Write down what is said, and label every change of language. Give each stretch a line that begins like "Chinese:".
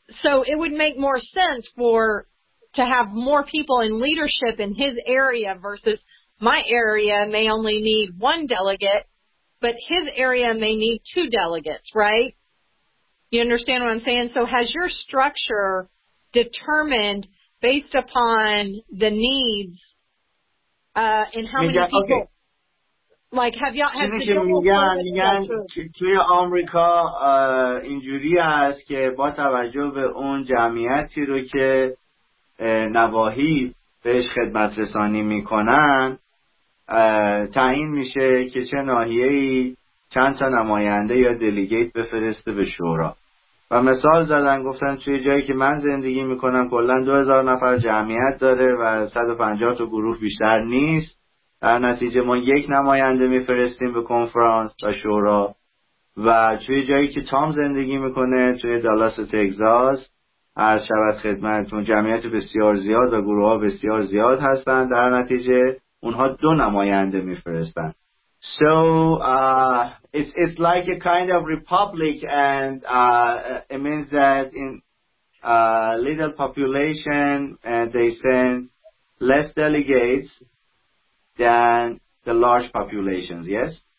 English: So it would make more sense to have more people in leadership in his area versus my area may only need 1 delegate, but his area may need 2 delegates, right? You understand what I'm saying? So has your structure determined based upon the needs and how many people? Okay. Like, have y'all had
Persian: to میگن توی آمریکا اینجوری است که با توجه به اون جمعیتی رو که نواحی بهش خدمت رسانی میکنن تعیین میشه که چه ناحیه‌ای چند تا نماینده یا دلیگیت بفرسته به شورا. و مثال زدن گفتن توی جایی که من زندگی میکنم کلن 2000 نفر جمعیت داره و 150 تا گروه بیشتر نیست، در نتیجه ما یک نماینده میفرستیم به کنفرانس و شورا. و توی جایی که تام زندگی میکنه توی دالاس تگزاس، هر شب از خدمتون جمعیت بسیار زیاد و گروه ها بسیار زیاد هستن، در نتیجه اونها دو نماینده میفرستن.
English: So it's like a kind of republic, and it means that in a little population they send less delegates than the large populations, yes?